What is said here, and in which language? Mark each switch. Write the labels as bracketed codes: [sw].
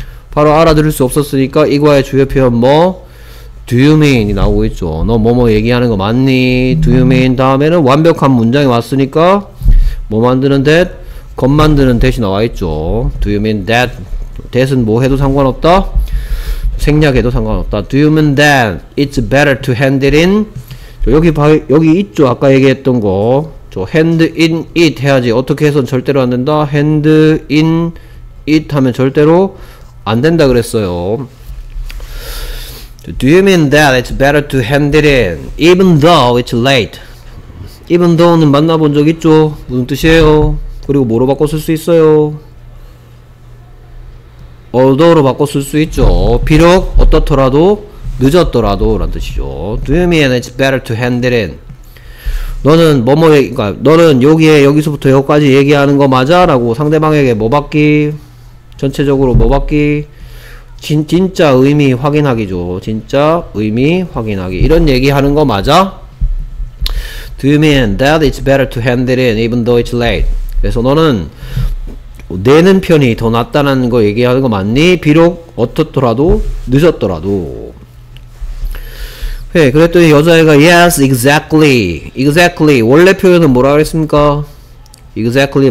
[ko] 바로 알아들을 수 없었으니까 이거의 주요 표현 뭐? [en] Do you mean? [ko] 이 나오고 있죠. 너 뭐뭐 얘기하는 거 맞니? Do you mean? 다음에는 완벽한 문장이 왔으니까 뭐 만드는 that? 겉 만드는 대신 나와있죠. [en] Do you mean that? [ko] That은 뭐 해도 상관없다? 생략해도 상관없다. [en] Do you mean that it's better to hand it in? [ko] 여기 봐, 여기 있죠. 아까 얘기했던 거. 저 [en] hand in it [ko] 해야지. 어떻게 해서는 절대로 안 된다. [en] Hand in it [ko] 하면 절대로 안 된다 그랬어요. [en] Do you mean that it's better to hand it in even though it's late? [ko] Even though는 만나본 적 있죠? 무슨 뜻이에요? 그리고 뭐로 바꿔 쓸 수 있어요? Although로 바꿔 쓸 수 있죠. 비록 어떻더라도 늦었더라도 라는 뜻이죠. [en] Do you mean it's better to hand it in? [ko] 너는 뭐뭐에, 그러니까 너는 여기에 여기서부터 여기까지 얘기하는 거 맞아? 라고 상대방에게 뭐 받기? 전체적으로 뭐 받기? 진짜 의미 확인하기죠. 진짜 의미 확인하기. 이런 얘기하는 거 맞아? [en] Do you mean that it's better to hand it in even though it's late? [ko] 그래서 너는 내는 편이 더 낫다는 거 얘기하는 거 맞니? 비록 어떻더라도 늦었더라도. 네, 그랬더니 여자애가 [en] yes, exactly. exactly. [ko] 원래 표현은 뭐라 그랬습니까? [en] exactly.